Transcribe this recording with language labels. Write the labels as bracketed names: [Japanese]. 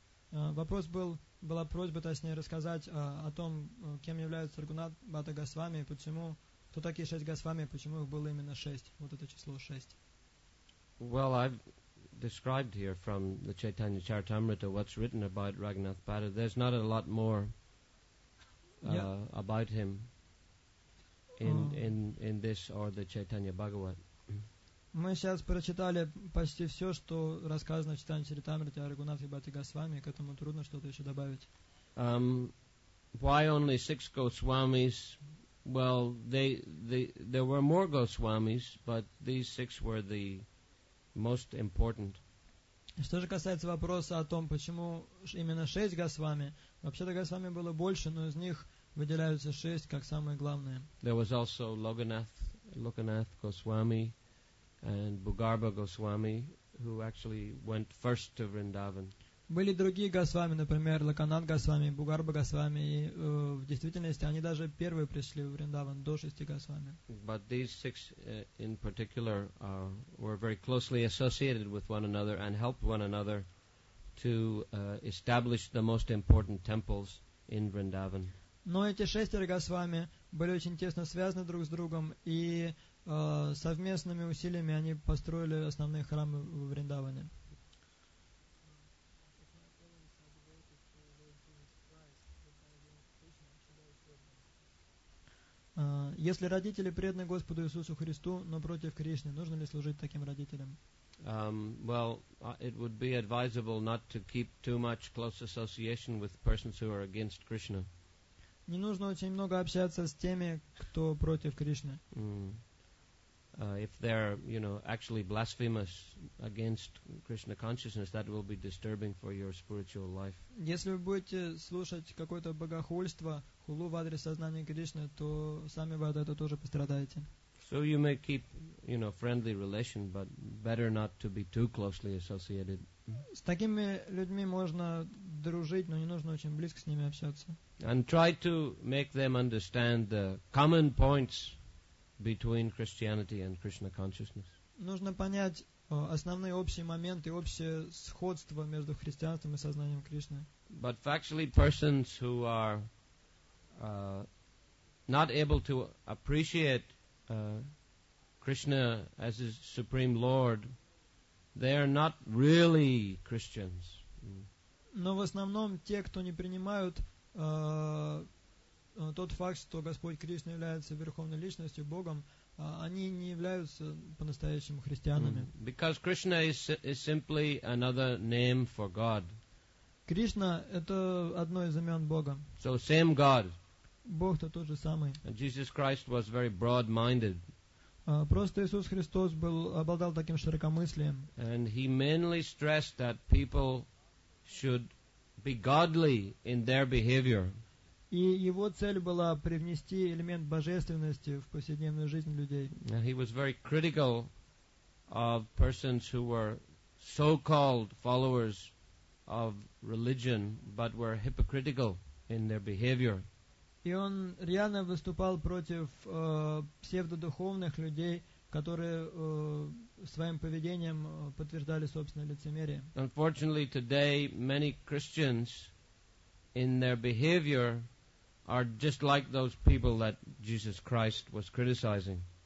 [Russian] Вопрос был, была просьба, точнее, рассказать о том, кем являются Рагхунат Бхата Госвами, и почему, кто такие шесть Госвами, почему их было именно шесть, вот это число шесть. [English] Well, I've described here from the Chaitanya Charitamrita what's written about Raghunath Bhatta. There's not a lot more about him in this or the Chaitanya Bhagavat. [Russian] Мы сейчас прочитали почти все, что рассказано в Читании Чаритамрите о Рагхунате Бхатте Госвами, к этому трудно что-то еще добавить. [English] Why only six Госвамис? Well, there were more Госвамис, but these six were the most important. [Russian] Что же касается вопроса о том, почему именно шесть Госвами, вообще-то Госвами было больше, но из них выделяются шесть как самые главные. [English] There was also Loganath Goswami. And Bhugarbha Goswami, who actually went first to Vrindavan. [Russian] Были другие Госвами, например, Локанат Госвами, Бхугарбха Госвами, и в действительности они даже первые пришли в Вриндаван до шести Госвами. [English] But these six in particular were very closely associated with one another and helped one another to establish the most important temples in Vrindavan. [Russian] Но эти шестеро Госвами были очень тесно связаны друг с другом и совместными усилиями они построили основные храмы в Вриндаване. Если родители преданы Господу Иисусу Христу, но против Кришны, нужно ли служить таким родителям? [English] Well, it would be advisable not to keep too much close association with persons who are against Krishna. [Russian] Не нужно очень много общаться с теми, кто против Кришны. [English] If they're, you know, actually blasphemous against Krishna consciousness, that will be disturbing for your spiritual life. [Russian] Если вы будете слушать какое-то богохульство, хулу в адрес сознания Кришны, то сами вы от этого тоже пострадаете. [English] So you may keep, you know, friendly relation, but better not to be too closely associated. [Russian] С такими людьми можно дружить, но не нужно очень близко с ними общаться. [English] And try to make them understand the common points between Christianity and Krishna consciousness. [Russian] Нужно понять основные общие моменты, общее сходство между христианством и сознанием Кришны. [English] But factually, persons who are not able to appreciate Krishna as his supreme Lord, they are not really Christians. [Russian] Но в основном те, кто не принимают тот факт, что Господь Кришна является Верховной Личностью, Богом, они не являются по-настоящему христианами. [English] Because Krishna is simply another name for God. [Russian] Кришна — это одно из имен Бога. [English] So same God. [Russian] Бог-то тот же самый. [English] And Jesus Christ was very broad-minded. [Russian] Просто Иисус Христос был, обладал таким широкомыслием. [English] And he mainly stressed that people should be godly in their behavior. [Russian] И его цель была привнести элемент божественности в повседневную жизнь людей. [English] He was very critical of persons who were so-called followers of religion, but were hypocritical in their behavior. [Russian] И он реально выступал против псевдодуховных людей, которые своим поведением подтверждали собственное лицемерие. [English] Unfortunately, today many Christians in their behavior are just like those people that Jesus Christ was criticizing.